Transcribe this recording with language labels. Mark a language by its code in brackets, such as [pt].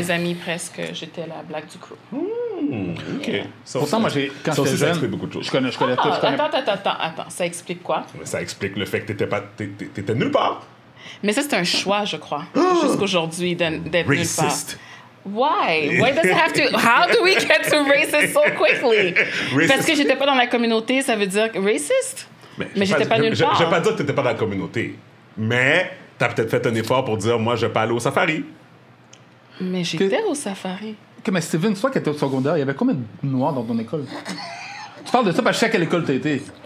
[fr] Mes amis, presque, j'étais la black du crew. OK. Yeah. Pourtant, moi, quand j'étais jeune, ça explique beaucoup de choses. Je connais tout. Attends, ça explique quoi? Ça explique le fait que t'étais nulle part. Mais ça, c'est un choix, je crois, jusqu'aujourd'hui, d'être nulle part. [en] Why does it have to... How do we get to racist so quickly? Racist. [fr] Parce que j'étais pas dans la communauté, ça veut dire racist? Mais j'étais pas nulle part. Je vais pas dire que t'étais pas dans la communauté, mais t'as peut-être fait un effort pour dire, moi, je vais pas aller au safari. Mais j'étais au safari. Okay, mais Steven, toi qui étais au secondaire, il y avait combien de Noirs dans ton école? Tu parles de ça parce que je sais à quelle école t'as été.